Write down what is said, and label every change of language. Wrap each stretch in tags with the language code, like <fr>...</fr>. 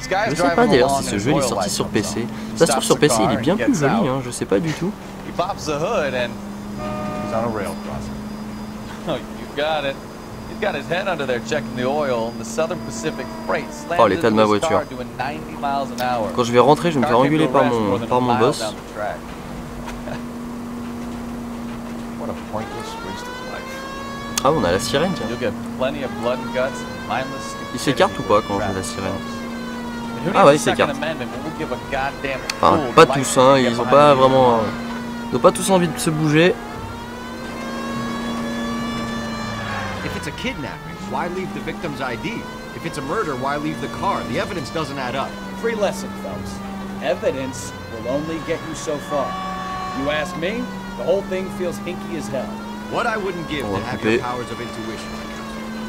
<fr>Je sais pas d'ailleurs si ce jeu est sorti sur PC. Ça se trouve sur PC il est bien plus joli, hein, je sais pas du tout.</fr> <en>He pops the hood and he's on a rail crossing. Oh, you got it. He's got his head under there checking the oil and the Southern Pacific freight slams into his car doing 90 miles an hour.</en> <fr>Quand je vais rentrer, je vais me faire engueuler par mon boss.</fr> <en>What a pointless waste of life.</en> <fr>Ah, on a la sirène, tiens.</fr> <en>You'll get plenty of blood and guts and mindless stupidity.</en> <fr>Il s'écarte ou pas quand j'ai la sirène? Ah ouais, il s'écarte. Enfin, pas tous, hein. Ils ont pas vraiment... Ils n'ont pas tous envie de se bouger.</fr> <en>If it's a kidnapping, why leave the victim's ID? If it's a murder, why leave the car? The evidence doesn't add up. Free lesson, Phelps. Evidence will only get you so far. You ask me, the whole thing feels hinky as hell. What I wouldn't give to have your powers of intuition.</en>